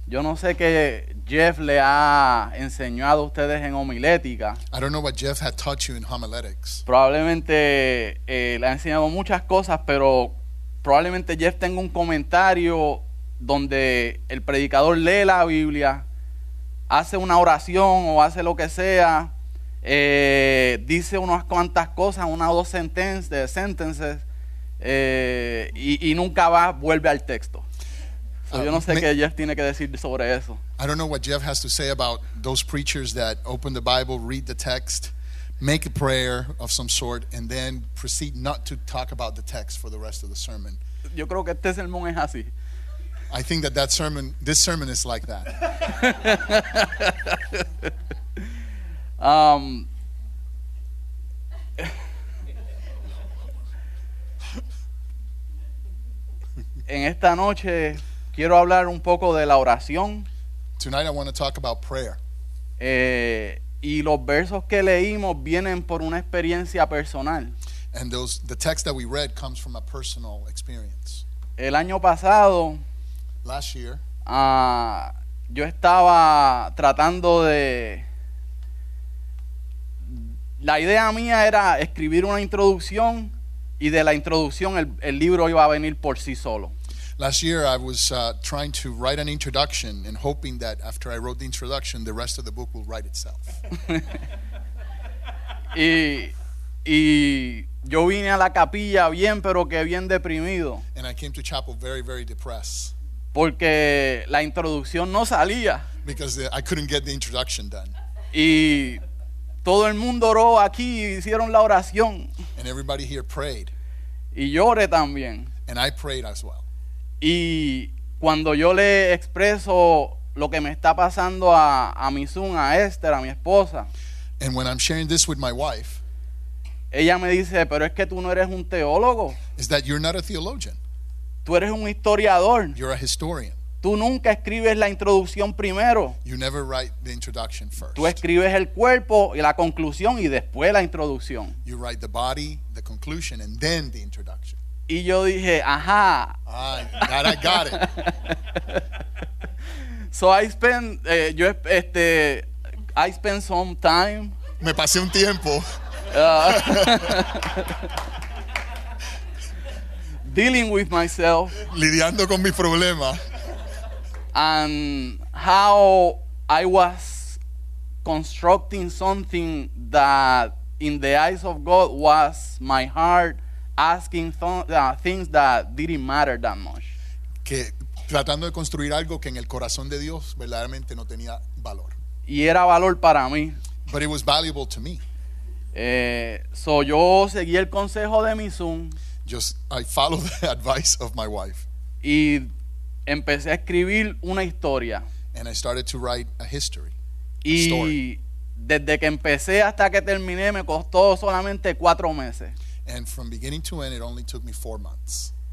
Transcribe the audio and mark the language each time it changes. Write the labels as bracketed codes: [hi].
[es] Yo no sé qué Jeff le ha enseñado a ustedes en homilética. [en] I don't know what Jeff had taught you in homiletics. [es] Probablemente le ha enseñado muchas cosas, pero probablemente Jeff tenga un comentario donde el predicador lee la Biblia, hace una oración o hace lo que sea, dice unas cuantas cosas, una o dos sentences, y nunca va, vuelve al texto. [en] I don't know what Jeff has to say about those preachers that open the Bible, read the text, make a prayer of some sort, and then proceed not to talk about the text for the rest of the sermon. [es] Yo creo que este sermón es así. [en] I think that this sermon is like that. [es] En esta noche quiero hablar un poco de la oración. [en] Tonight I want to talk about prayer. [es] Y los versos que leímos vienen por una experiencia personal. [en] And the text that we read comes from a personal experience. [es] El año pasado, [en] last year, [es] yo estaba tratando de... La idea mía era escribir una introducción y de la introducción el libro iba a venir por sí solo. [en] Last year, I was trying to write an introduction and hoping that after I wrote the introduction, the rest of the book will write itself. [es] Y yo vine a la capilla bien, pero que bien deprimido. [en] And I came to chapel very, very depressed. [es] Porque la introducción no salía. [en] Because I couldn't get the introduction done. [es] Y todo el mundo oró aquí y hicieron la oración. [en] And everybody here prayed. [es] Y yo oré también. [en] And I prayed as well. [es] Y cuando yo le expreso lo que me está pasando a mi Zoom, a Esther, a mi esposa. [en] And when I'm sharing this with my wife. [es] Ella me dice, pero es que tú no eres un teólogo. [en] Is that you're not a theologian. [es] Tú eres un historiador. [en] You're a historian. [es] Tú nunca escribes la introducción primero. [en] You never write the introduction first. [es] Tú escribes el cuerpo y la conclusión y después la introducción. [en] You write the body, the conclusion, and then the introduction. [es] Y yo dije, ajá. [en] That I got it. So I spent, I spent some time. [es] Me pasé un tiempo. [en] dealing with myself. [es] Lidiando con mi problema. [en] And how I was constructing something that in the eyes of God was my heart. Asking things that didn't matter that much. [es] Que tratando de construir algo que en el corazón de Dios verdaderamente no tenía valor. Y era valor para mí. [en] But it was valuable to me. [es] So yo seguí el consejo de mi Zoom. [en] I followed the advice of my wife. [es] Y empecé a escribir una historia. [en] And I started to write a history. [es] Y desde que empecé hasta que terminé me costó solamente 4 meses. [en] And from beginning to end, it only took me 4 months.